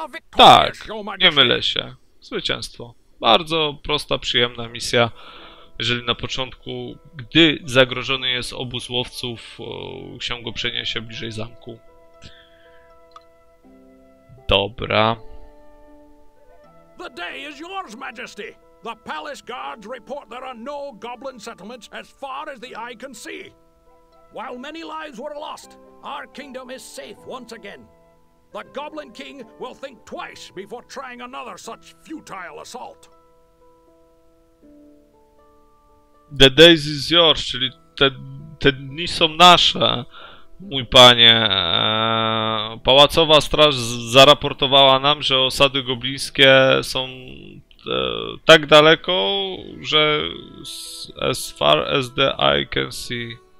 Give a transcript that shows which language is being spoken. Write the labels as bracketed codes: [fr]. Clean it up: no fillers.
[pl] Tak, nie mylę się. Zwycięstwo. Bardzo prosta, przyjemna misja. Jeżeli na początku, gdy zagrożony jest obóz łowców, się go przeniesie bliżej zamku. Dobra. [en] The day is yours, Majesty. The palace guards report there are no goblin settlements as far as the eye can see. While many lives were lost, our kingdom is safe once again. The goblin king will think twice before trying another such futile assault. The days is yours, [pl] czyli te dni są nasze, mój panie. Pałacowa straż zaraportowała nam, że osady goblińskie są tak daleko, że [en] as far as the eye can see.